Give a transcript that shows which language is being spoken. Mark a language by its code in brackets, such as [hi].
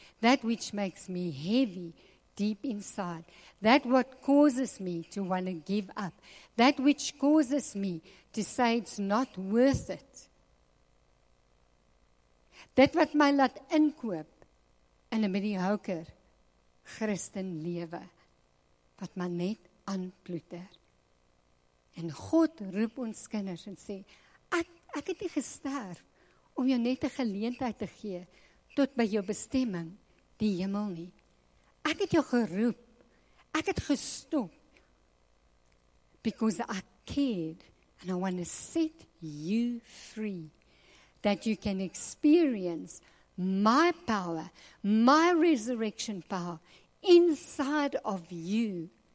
[en] That which makes me heavy deep inside, that what causes me to want to give up, that which causes me to say it's not worth it, that [af] wat my laat inkoop in 'n mediocre Christen lewe, wat my net aanploeter. En God roep ons kinders en sê, ek het nie gesterf om jou net 'n geleentheid te gee tot by jou bestemming, die hemel nie. Ek het jou geroep. Ek het gestop. [en] Because I cared and I want to set you free. That you can experience my power, my resurrection power inside of you.